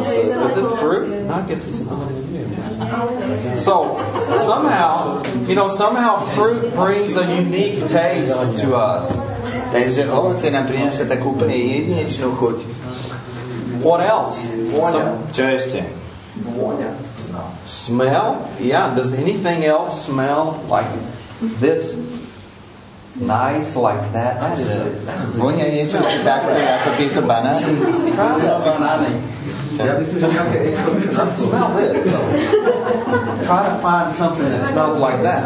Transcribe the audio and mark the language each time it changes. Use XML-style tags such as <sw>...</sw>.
<en>Is it fruit? No, I guess it's not. So somehow, you know, somehow fruit brings a unique taste to us.</en> <sk>Takže ovoce nám prinášia takú úplne jedinečnú chuť.</sk> <en>What else?</en> <sk>Vôňa. Čo ešte? Vôňa.</sk> <en>Smell? Yeah, does anything else smell like this? Nice like that?</en> <sk>Vôňa niečo také ako tieto banány? Banány.</sk> <en>Try to find something that smells like that.</en>